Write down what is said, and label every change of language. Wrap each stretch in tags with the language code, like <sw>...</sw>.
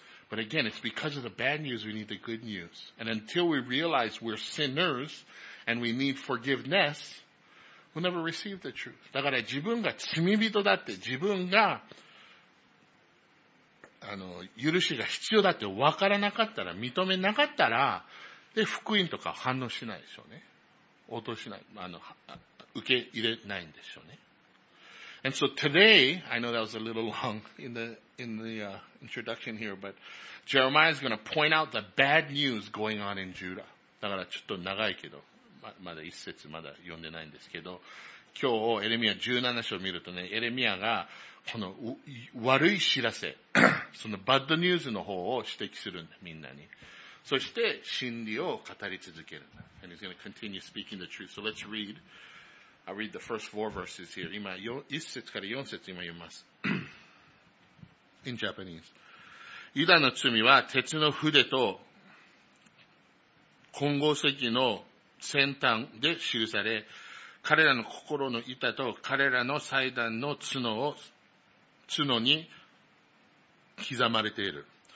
<en>But again, it's because of the bad news we need the good news. And until we realize we're sinners and we need forgiveness, we'll never receive the truth.</en> <ja>だから自分が罪人だって、自分が許しが必要だって分からなかったら、認めなかったら、で、福音とか反応しないでしょうね。応答しない。受け入れないんでしょうね。</ja> <en>And so today, I know that was a little long in the introduction here, but Jeremiah is going to point out the bad news going on in Judah.</en> <ja>だからちょっと長いけど、まだ一節まだ読んでないんですけど、今日エレミア17章を見るとね、エレミアがこの悪い知らせ、そのバッドニュースの方を指摘するんだ、みんなに。そして真理を語り続けるんだ。</ja> <en>And he's going to continue speaking the truth. So let's read. I'll read the first four verses here.</en> <ja>今、一節から四節今読みます。</ja> <en>In Japanese.</en> <ja>ユダの罪は鉄の筆と金剛石の先端で記され、彼らの心の板と彼らの祭壇の角に刻まれている。</ja>